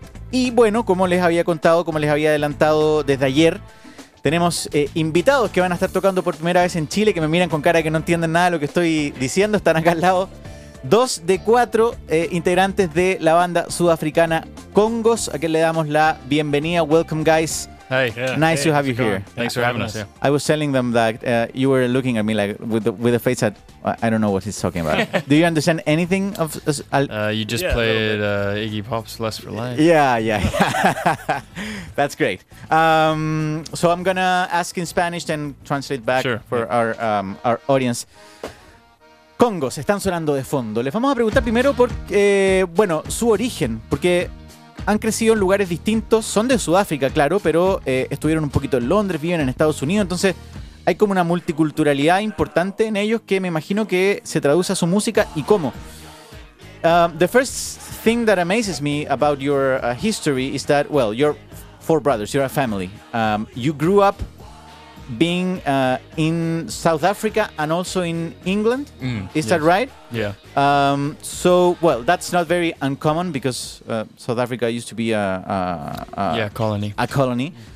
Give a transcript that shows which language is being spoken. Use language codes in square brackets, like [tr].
[es] Y bueno, como les había contado, como les había adelantado desde ayer, tenemos invitados que van a estar tocando por primera vez en Chile, que me miran con cara que no entienden nada de lo que estoy diciendo. Están acá al lado dos de cuatro integrantes de la banda sudafricana Congos, a quien le damos la bienvenida. [en] Welcome, guys. Hey. Yeah. Nice hey, to have you here. Thanks for having us. Yeah. I was telling them that you were looking at me like with a face that I don't know what he's talking about. Do you understand anything of? You just played Iggy Pop's "Less for Life." Yeah. That's great. So I'm gonna ask in Spanish and translate back our audience. [es] Congos están sonando de fondo. Les vamos a preguntar primero por su origen, porque han crecido en lugares distintos, son de Sudáfrica, claro, pero estuvieron un poquito en Londres, viven en Estados Unidos, entonces hay como una multiculturalidad importante en ellos que me imagino que se traduce a su música y cómo. [en] The first thing that amazes me about your history is that, well, you're four brothers, you're a family. You grew up being in South Africa and also in England. That right? Yeah. That's not very uncommon because South Africa used to be a colony.